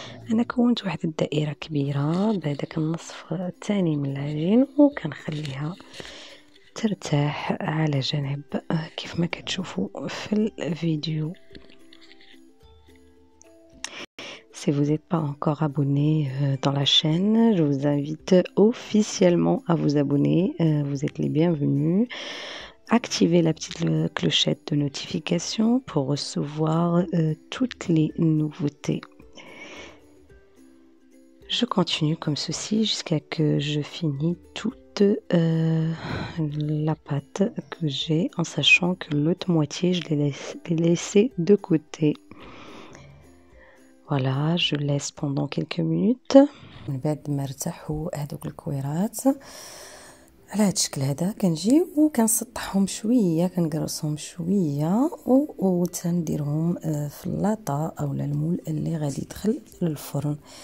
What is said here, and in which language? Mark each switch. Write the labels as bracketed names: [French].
[Arabic] أنا كونت واحد الدائرة كبيرة بهذاك النصف الثاني من العجين، وكنخليها ترتاح على جنب كيف ما كتشوفوا في الفيديو. [French] si vous n'êtes pas encore abonné dans la chaîne, je vous invite officiellement à vous abonner. Vous êtes les bienvenus. Activez la petite clochette de notification pour recevoir toutes les nouveautés. Je continue comme ceci jusqu'à que je finisse toute la pâte que j'ai, en sachant que l'autre moitié, je l'ai laissée de côté. Voilà, je laisse pendant quelques minutes. [Arabic] البيض مرتاحو هذوك الكويرات على هذا الشكل هذا كنجي وكنسطحهم شويه كنقرصهم شويه وتنديرهم في اللاطه او المول اللي غادي يدخل للفرن.